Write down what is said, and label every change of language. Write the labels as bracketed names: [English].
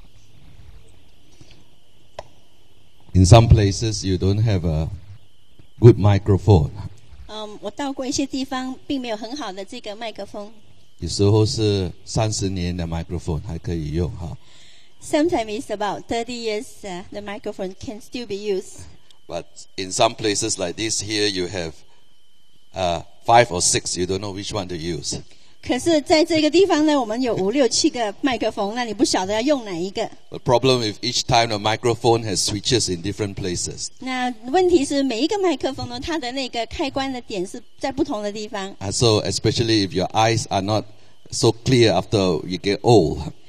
[Chinese] 所以今天很快就请你好了。这个好一点。 [English] In some places you don't have a good microphone. [Chinese] 我到过一些地方并没有很好的这个麦克风。有时候是30年的 microphone 还可以用哈。 [English] Sometimes it's about 30 years the microphone can still be used. But in some places like this here you have five or six, you don't know which one to use. [Chinese] 可是在这个地方呢，我们有5-6-7个麦克风，那你不晓得要用哪一个。 [English] The problem with each time the microphone has switches in different places. [Chinese] 那问题是每一个麦克风呢，它的那个开关的点是在不同的地方。 [English] So especially if your eyes are not so clear after you get old.